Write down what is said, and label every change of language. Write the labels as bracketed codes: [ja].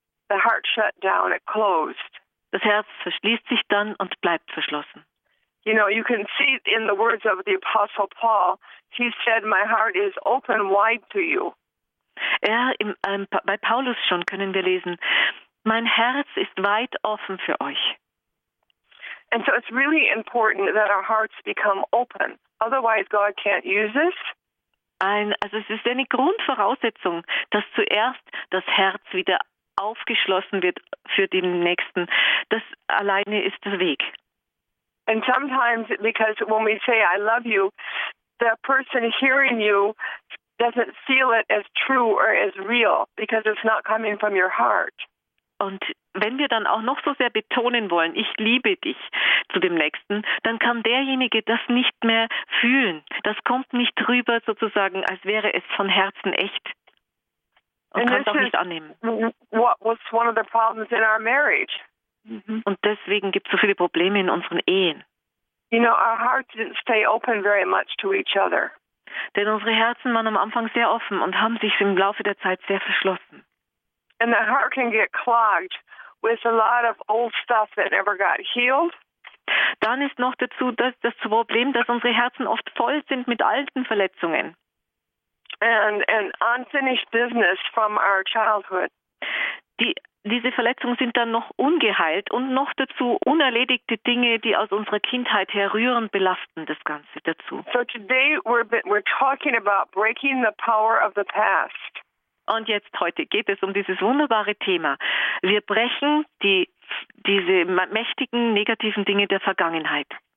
[en] The heart shut down, it closed. [de] Das Herz verschließt sich dann und bleibt verschlossen. [en] You know, you can see in the words of the Apostle Paul, he said, "My heart is open wide to you." [de] Ja, bei Paulus schon können wir lesen, mein Herz ist weit offen für euch. [en] And so it's really important that our hearts become open. Otherwise God can't use us. [de] Also es ist eine Grundvoraussetzung, dass zuerst das Herz wieder aufgeschlossen wird für den Nächsten. Das alleine ist der Weg. [en] And sometimes, because when we say I love you, the person hearing you doesn't feel it as true or as real because it's not coming from your heart. [de] Und wenn wir dann auch noch so sehr betonen wollen, ich liebe dich zu dem Nächsten, dann kann derjenige das nicht mehr fühlen. Das kommt nicht rüber sozusagen, als wäre es von Herzen echt. Und kann es auch nicht annehmen. [en] What was one of the problems in our marriage? [de] Und deswegen gibt es so viele Probleme in unseren Ehen. [en] You know, our hearts didn't stay open very much to each other. [de] Denn unsere Herzen waren am Anfang sehr offen und haben sich im Laufe der Zeit sehr verschlossen. [en] And the heart can get clogged with a lot of old stuff that never got healed. [de] Dann ist noch dazu das Problem, dass unsere Herzen oft voll sind mit alten Verletzungen. [en] And unfinished business from our childhood. [de] Diese Verletzungen sind dann noch ungeheilt und noch dazu unerledigte Dinge, die aus unserer Kindheit herrühren, belasten das Ganze dazu. [en] So today we're talking about breaking the power of the past. [de] Und jetzt heute geht es um dieses wunderbare Thema. Wir brechen diese mächtigen negativen Dinge der Vergangenheit.